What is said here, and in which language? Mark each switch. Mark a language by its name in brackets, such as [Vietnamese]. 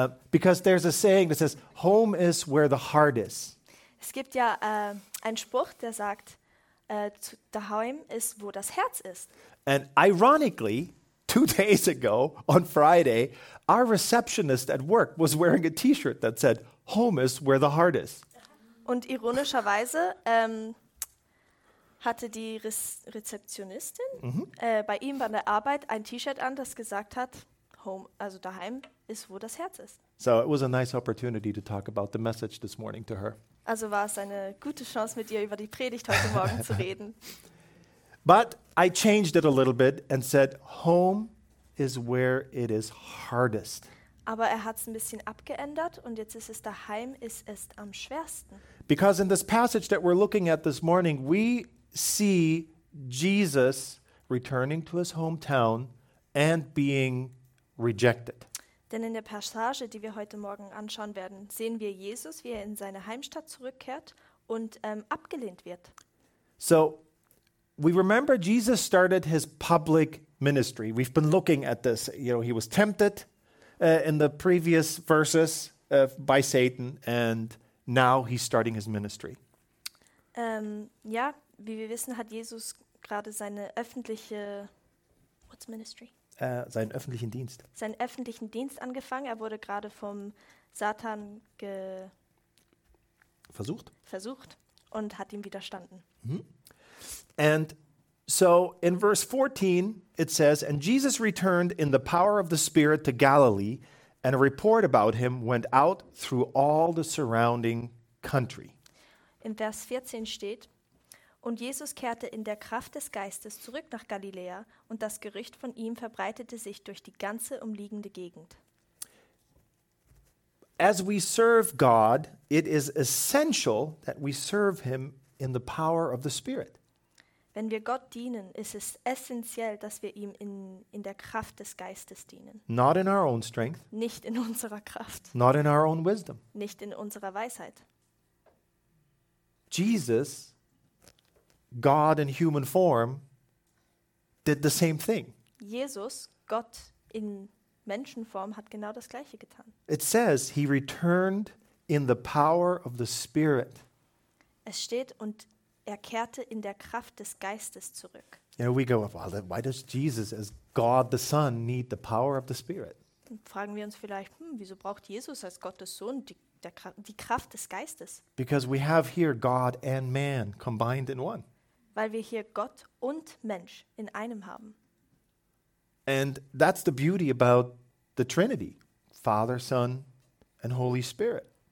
[English] Because there's a saying that says "Home is where the heart is." [German] Es gibt ja einen Spruch, der sagt, daheim ist, wo das Herz ist. [English] And ironically, 2 days ago, on Friday, our receptionist at work was wearing a T-shirt that said, "Home is where the heart is." [German] Und ironischerweise hatte die Rezeptionistin bei ihm bei der Arbeit ein T-Shirt an, das gesagt hat, "Home, also daheim ist, wo das Herz ist." [English] So it was a nice opportunity to talk about the message this morning to her. [German] Also war es eine gute Chance, mit ihr über die Predigt heute Morgen zu reden. [English] But I changed it a little bit and said, "Home is where it is hardest." [German] Aber er hat es ein bisschen abgeändert und jetzt ist es daheim, ist es am schwersten. [English] Because in this passage that we're looking at this morning, we see Jesus returning to his hometown and being rejected. [German] Denn in der Passage, die wir heute Morgen anschauen werden, sehen wir Jesus, wie er in seine Heimstadt zurückkehrt und abgelehnt wird. [English] So, we remember Jesus started his public ministry. We've been looking at this. You know, he was tempted in the previous verses by Satan, and now he's starting his ministry. [German] Ja, wie wir wissen, hat Jesus gerade seine öffentliche, [English] what's ministry? [German] seinen öffentlichen Dienst. Seinen öffentlichen Dienst angefangen. Er wurde gerade vom Satan versucht und hat ihm widerstanden. [English] And so in verse 14 it says, and Jesus returned in the power of the Spirit to Galilee, and a report about him went out through all the surrounding country. [German] In Vers 14 steht, und Jesus kehrte in der Kraft des Geistes zurück nach Galiläa, und das Gerücht von ihm verbreitete sich durch die ganze umliegende Gegend. [English] As we serve God, it is essential that we serve him in the power of the Spirit. [German] Wenn wir Gott dienen, ist es essentiell, dass wir ihm in der Kraft des Geistes dienen. [English] Not in our own strength. [German] Nicht in unserer Kraft. [English] Not in our own wisdom. [German] Nicht in unserer Weisheit. [English] Jesus, God in human form, did the same thing. [German] Jesus, Gott in Menschenform, hat genau das Gleiche getan. [English] It says he returned in the power of the Spirit. [German] Es steht, und er kehrte in der Kraft des Geistes zurück. [English] You know, we go, well, then why does Jesus as God the Son need the power of the Spirit? [German] Fragen wir uns vielleicht, wieso braucht Jesus als Gottes Sohn die Kraft des Geistes? [English] Because we have here God and man combined in one. [German] Weil wir hier Gott und Mensch in einem haben. [English] And that's the beauty about the Trinity, Father, Son and Holy Spirit.